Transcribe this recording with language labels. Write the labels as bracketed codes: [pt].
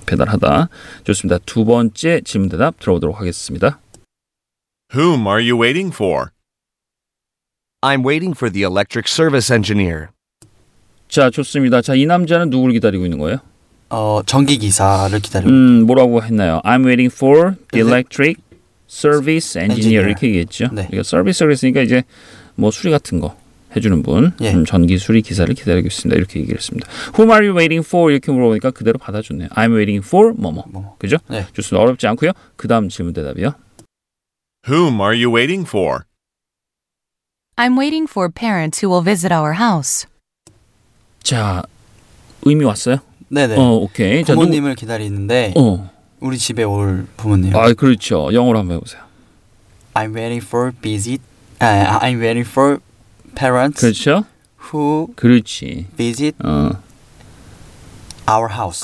[ko] 배달하다. 좋습니다. 두 번째 질문 대답 들어보도록 하겠습니다. [en] Whom are you waiting for? I'm waiting for the electric service engineer. [ko] 자, 좋습니다. 자, 이 남자는 누구를 기다리고 있는 거예요? 전기기사를 기다리고 뭐라고 했나요? [en] I'm waiting for the electric service engineer [ko] 이렇게 얘기했죠. 네. 이거 서비스 그랬으니까 이제 뭐 수리 같은 거 해주는 분 예. 전기 수리 기사를 기다리고 있습니다. 이렇게 얘기했습니다. [en] Whom are you waiting for? [ko] 이렇게 물어보니까 그대로 받아줬네요. [en] I'm waiting for [ko] 뭐뭐. 그죠? 네. 좋습니다. 어렵지 않고요. 그 다음 질문 대답이요. [en] Whom are you waiting for? I'm waiting for parents who will visit our house. [ko] 자, 의미 왔어요? 네네. 오케이. 부모님을 기다리는데 우리 집에 올 부모님. 아, 그렇죠. 영어로 한번 해보세요. [en] I'm waiting for visit. I'm waiting for parents. [ko] 그렇죠. [en] Who? [ko] 그렇지. [en] Visit. Our house.